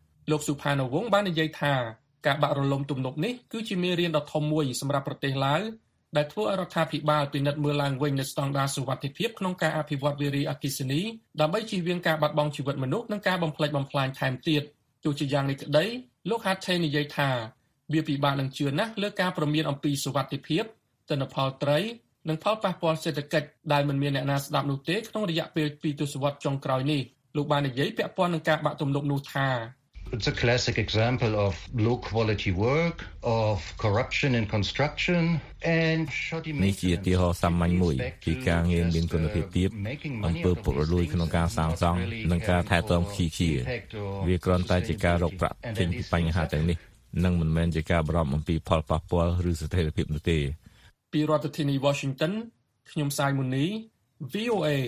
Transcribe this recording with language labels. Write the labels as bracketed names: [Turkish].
[Khmer] លោកសុផានវងបាននិយាយថាការបាក់រលំទំនប់នេះគឺជាមេរៀនដ៏ធំមួយសម្រាប់ប្រទេសឡាវដែលធ្វើឲ្យរដ្ឋាភិបាលពិនិត្យមើលឡើងវិញនូវស្តង់ដារសុវត្ថិភាពក្នុងការអភិវឌ្ឍវារីអគ្គិសនីដើម្បីជៀសវាងការបាត់បង់ជីវិតមនុស្សនិងការបំផ្លិចបំផ្លាញថែមទៀតទោះជាយ៉ាងនេះក្តីលោកហាត់ថេនិយាយថាវាពិបាកនឹងជឿណាស់លើការព្រមានអំពីសុវត្ថិភាពទិន្នផលត្រីនិងផលប៉ះពាល់សេដ្ឋកិច្ចដែលមិនមានអ្នកណាស្ដាប់នោះទេក្នុងរយៈពេល2ទសវត្សរ៍ចុងក្រោយនេះលោកបាននិយាយពាក់ព័ន្ធនឹងការបាក់ទំនុកនោះថា [English] It's a classic example of low quality work of corruption in construction and shoddy maintenance. [Khmer] នេះជាទីហោសាមញ្ញមួយពីការងារមានគុណភាពទាបអំពើពុករលួយក្នុងការសាងសង់និងការថែទាំខ្ជិលខ្ជាវាគ្រាន់តែជាការរកប្រាក់ពេញពីបញ្ហាទាំងនេះនិងមិនមែនជាការបរំអំពីផលប៉ះពាល់ឬស្ថិរភាពនោះទេ ពីរដ្ឋធានី Washington ខ្ញុំសាយមូនី VOA